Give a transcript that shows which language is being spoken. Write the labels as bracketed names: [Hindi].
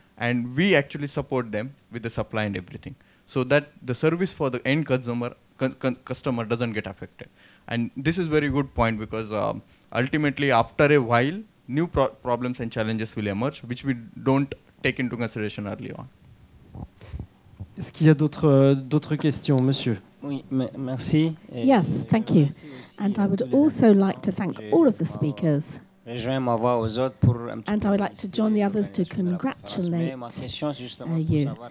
[English] And we actually support them with the supply and everything. So that the service for the end consumer customer doesn't get affected. And this is a very good point because ultimately, after a while, new problems and challenges will emerge, which we don't take into consideration early on. [French] Est-ce qu'il y a d'autres questions, monsieur? Oui, merci. [English] Yes, thank you. And I would also like to thank all of the speakers. And I would like to join the others to congratulate you.